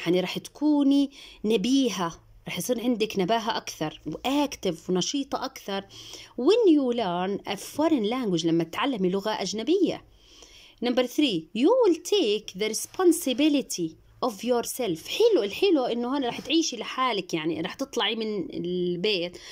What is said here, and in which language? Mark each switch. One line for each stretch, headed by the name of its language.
Arabic: يعني رح تكوني نبيهة رح يصير عندك نباهة أكثر وأكتف ونشيطة أكثر
English: when you learn a foreign language
Arabic: لما تتعلمي لغة أجنبية.
English: Number three, you will take the responsibility of yourself.
Arabic: حلو الحلو إنه هنا رح تعيشي لحالك يعني رح تطلعي من البيت.